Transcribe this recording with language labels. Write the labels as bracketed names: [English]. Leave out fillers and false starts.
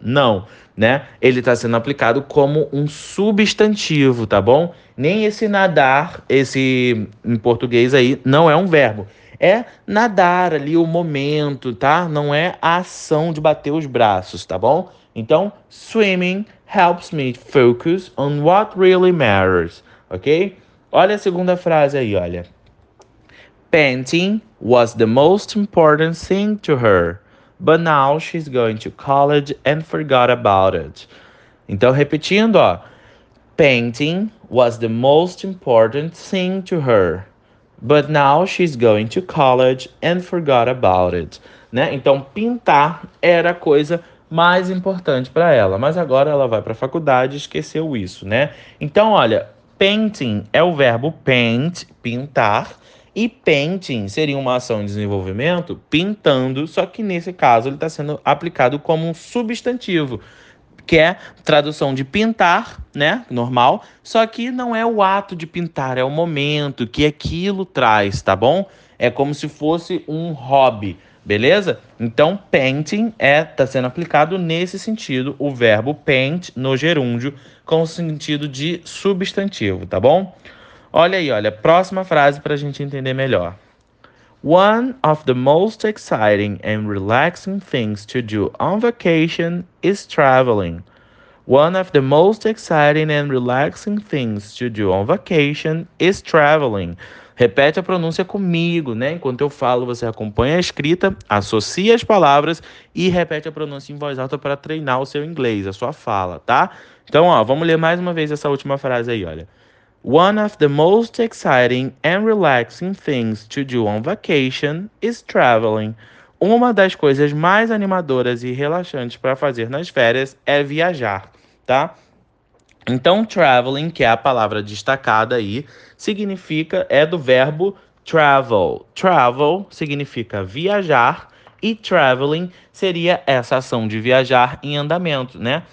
[Portuguese] Não, né? Ele está sendo aplicado como um substantivo, tá bom? Nem esse nadar, esse em português aí, não é um verbo. É nadar ali o momento, tá? Não é a ação de bater os braços, tá bom? Então, [English] swimming helps me focus on what really matters, ok? [Portuguese] Olha a segunda frase aí, olha. [English] Painting was the most important thing to her, but now she's going to college and forgot about it. [Portuguese] Então, repetindo, ó. [English] Painting was the most important thing to her, but now she's going to college and forgot about it. [Portuguese] Né? Então, pintar era a coisa mais importante para ela, mas agora ela vai para a faculdade e esqueceu isso, né? Então, olha, painting é o verbo paint, pintar, e painting seria uma ação de desenvolvimento pintando, só que nesse caso ele está sendo aplicado como um substantivo, que é tradução de pintar, né? Normal, só que não é o ato de pintar, é o momento que aquilo traz, tá bom? É como se fosse um hobby. Beleza? Então, painting está sendo aplicado nesse sentido, o verbo paint no gerúndio, com o sentido de substantivo, tá bom? Olha aí, olha, próxima frase para a gente entender melhor. [English] One of the most exciting and relaxing things to do on vacation is traveling. One of the most exciting and relaxing things to do on vacation is traveling. [Portuguese] Repete a pronúncia comigo, né? Enquanto eu falo, você acompanha a escrita, associa as palavras e repete a pronúncia em voz alta para treinar o seu inglês, a sua fala, tá? Então, ó, vamos ler mais uma vez essa última frase aí, olha. [English] One of the most exciting and relaxing things to do on vacation is traveling. [Portuguese] Uma das coisas mais animadoras e relaxantes para fazer nas férias é viajar, tá? Então, traveling, que é a palavra destacada aí, significa, é do verbo travel. Travel significa viajar e traveling seria essa ação de viajar em andamento, né?